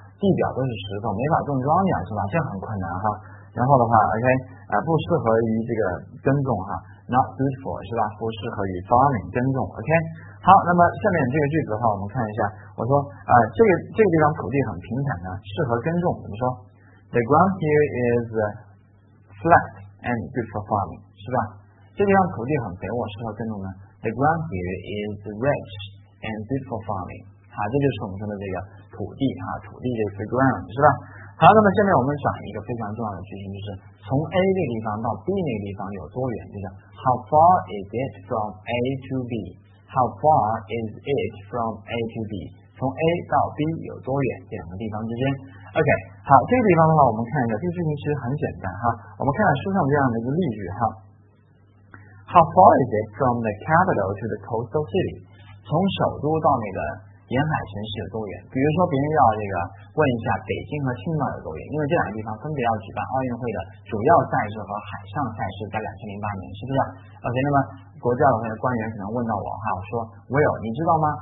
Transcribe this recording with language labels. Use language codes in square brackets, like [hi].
[zh] 地表都是石头，没法种庄稼，是吧？这很困难哈。然后的话 OK 啊，不适合于这个耕种哈， [en] not good for， [zh] 是吧？不适合于 farming 耕种， OK。好，那么下面这个句子的话我们看一下，我说啊，这个地方土地很平坦呢，适合耕种，怎么说？ [en] The ground here is flatand good for farming， 是吧？ [zh] 这地方土地很肥沃，适合耕种呢。 [en] The ground here is rich and good for farming。 [zh] 好，这就是我们说的这个土地啊，土地就是 ground， 是吧？好，那么下面我们讲一个非常重要的句型，就是从 A 那个地方到 B 那个地方有多远？ [en] 就是 How far is it from A to B？ How far is it from A to B？ [zh] 从 A 到 B 有多远？两个地方之间。 OK， 好，这个地方的话，我们看一下，这个事情其实很简单哈。我们看看书上这样的一个例句哈。 [en] How far is it from the capital to the coastal city？ [zh] 从首都到那个沿海城市有多远？比如说别人要这个问一下北京和青岛有多远，因为这两个地方分别要举办奥运会的主要赛事和海上赛事，在2008年，是不是 ？OK， 那么国家的官员可能问到我哈，我说 Will， 你知道吗？